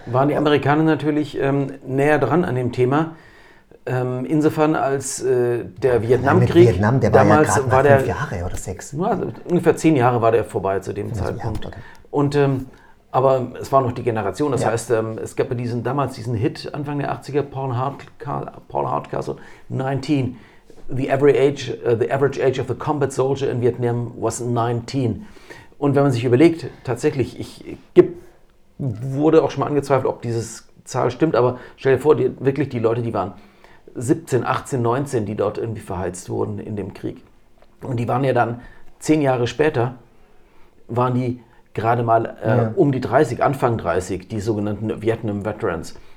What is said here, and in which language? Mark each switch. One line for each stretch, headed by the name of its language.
German: Waren die Amerikaner natürlich näher dran an dem Thema, insofern als der Vietnamkrieg. Vietnam, der war damals, ja gerade fünf Jahre oder sechs. Also ungefähr 10 Jahre war der vorbei zu dem Zeitpunkt. Jahre, okay. Und aber es war noch die Generation, das heißt, es gab damals diesen Hit Anfang der 80er, Paul Hardcastle, 19.
English: The average age of the combat soldier in Vietnam was 19.
German: Und wenn man sich überlegt, tatsächlich, wurde auch schon mal angezweifelt, ob diese Zahl stimmt, aber stell dir vor, die Leute, die waren 17, 18, 19, die dort irgendwie verheizt wurden in dem Krieg. Und die waren ja dann 10 Jahre später, waren die gerade mal um die 30, Anfang 30, die sogenannten Vietnam Veterans.